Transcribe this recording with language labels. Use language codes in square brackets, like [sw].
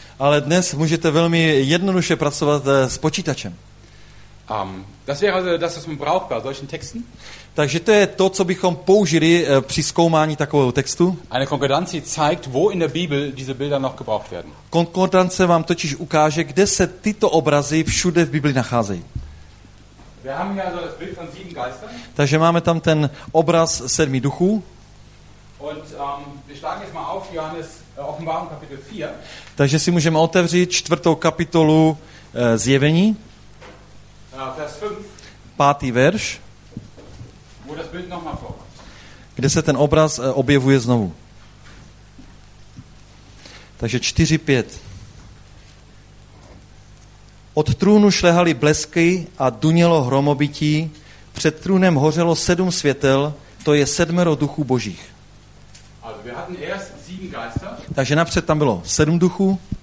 [cs] Ale dnes můžete velmi jednoduše pracovat s počítačem. [de] Das wäre also das, was man braucht bei solchen Texten. [cs] Takže to je to, co bychom použili při zkoumání takového textu. [de] Eine Konkordanz zeigt, wo in der Bibel diese Bilder noch gebraucht werden. [cs] Konkordance vám totiž ukáže, kde se tyto obrazy všude v Biblii nacházejí. [de] Wir haben hier also das Bild von sieben Geistern. [cs] Takže máme tam ten obraz sedmi duchů. [de] Und wir schlagen jetzt mal auf Johannes Offenbarung Kapitel 4. [cs] Takže si můžeme otevřít čtvrtou kapitolu Zjevení. [de] Vers 5. [cs] Pátý verš. [de] Wo das Bild noch mal vorkommt. [cs] Kde se ten obraz objevuje znovu. Takže 4:5. Od trůnu šlehaly blesky a dunělo hromobití, před trůnem hořelo sedm světel, to je sedmero duchů božích. [de] Also wir hatten erst sieben Geister. [cs] Takže napřed tam bylo sedm duchů.